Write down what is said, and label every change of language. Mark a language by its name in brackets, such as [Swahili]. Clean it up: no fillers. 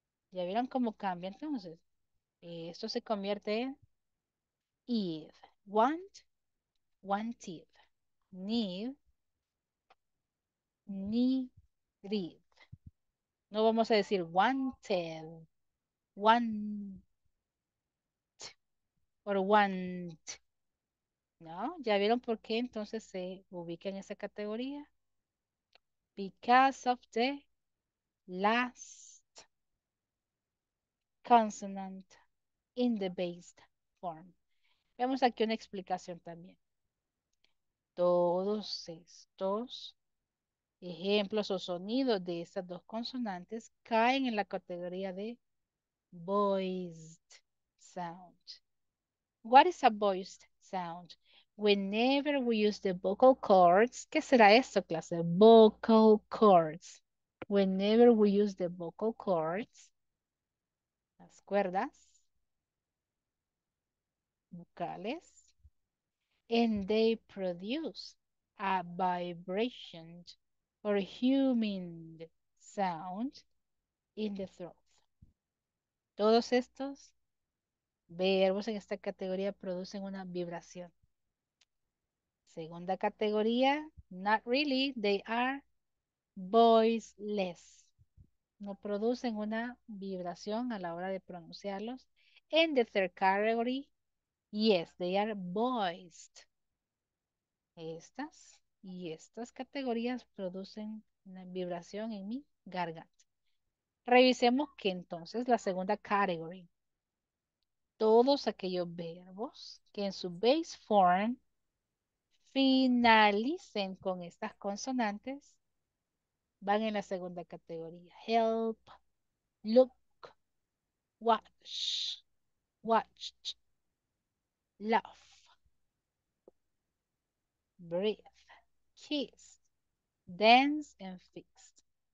[Spanish] ¿Ya vieron cómo cambia entonces? Esto se convierte en if, want, wanted, need, needed. No vamos a decir wanted, want, or want. ¿No? ¿Ya vieron por qué entonces se ubica en esa categoría? [English] Because of the last consonant in the base form. [Spanish] Vemos aquí una explicación también. Todos estos ejemplos o sonidos de estas dos consonantes caen en la categoría de voiced sound. [English] What is a voiced sound? Whenever we use the vocal cords, [Spanish] ¿qué será esto, clase? [English] Vocal cords. Whenever we use the vocal cords, [Spanish] las cuerdas vocales, [English] and they produce a vibration or a human sound in the throat. [Spanish] Todos estos verbos en esta categoría producen una vibración. Segunda categoría, [English] not really, they are voiceless. [Spanish] no producen una vibración a la hora de pronunciarlos. [English] In the third category, yes, they are voiced. [Spanish] Estas y estas categorías producen una vibración en mi garganta. Revisemos que entonces la segunda category. Todos aquellos verbos que en su base form finalicen con estas consonantes van en la segunda categoría. [English] Help, look, watch, watched, love, breathe, kiss, dance, and fixed.